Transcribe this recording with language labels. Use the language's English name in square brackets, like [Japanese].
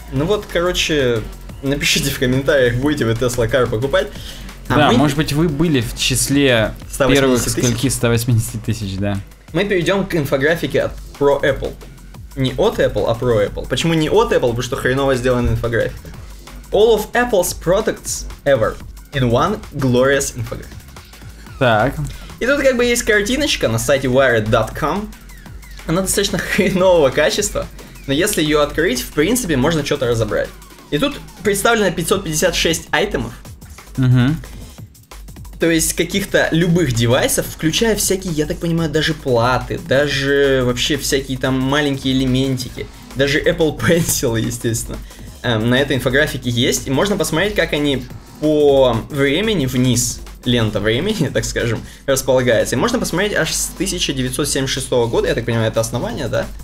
[Russian] Ну, вот, короче... Напишите в комментариях, будете вы Tesla Car покупать. А да, мы... может быть, вы были в числе первых скольки 180 тысяч, да. Мы перейдем к инфографике от Pro Apple. Не от Apple, а Pro Apple. Почему не от Apple? Потому что хреново сделана инфографика. [English] All of Apple's products ever in one glorious infographic. [Russian] Так. И тут как бы есть картиночка на сайте wired.com. Она достаточно хренового качества, но если ее открыть, в принципе, можно что-то разобрать. И тут представлено 556 айтемов, то есть каких-то любых девайсов, включая всякие, я так понимаю, даже платы, даже вообще всякие там маленькие элементики, даже Apple Pencil, естественно, на этой инфографике есть, и можно посмотреть, как они по времени вниз, лента времени, так скажем, располагается, и можно посмотреть аж с 1976 года, я так понимаю, это основание, да?